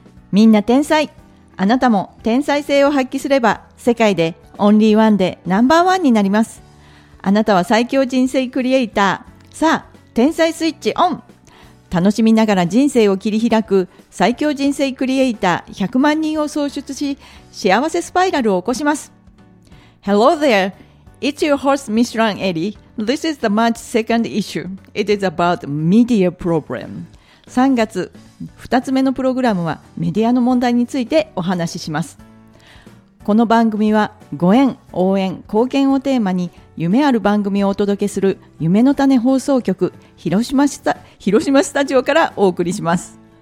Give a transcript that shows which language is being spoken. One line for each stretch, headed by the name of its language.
Japanese: みんな天才、あなたも天才性を発揮すれば世界でオンリーワンでナンバーワンになります。あなたは最強人生クリエイター。さあ天才スイッチオン。楽しみながら人生を切り開く最強人生クリエイター100万人を創出し、幸せスパイラルを起こします。
English: Hello there, it's your host Michelin Eddie. This is the March 2nd issue. It is about media problem.
Japanese: 3月2つ目のプログラムはメディアの問題についてお話しします。この番組はご縁、応援、貢献をテーマに夢ある番組をお届けする夢の種放送局、広島スタジオからお送りします。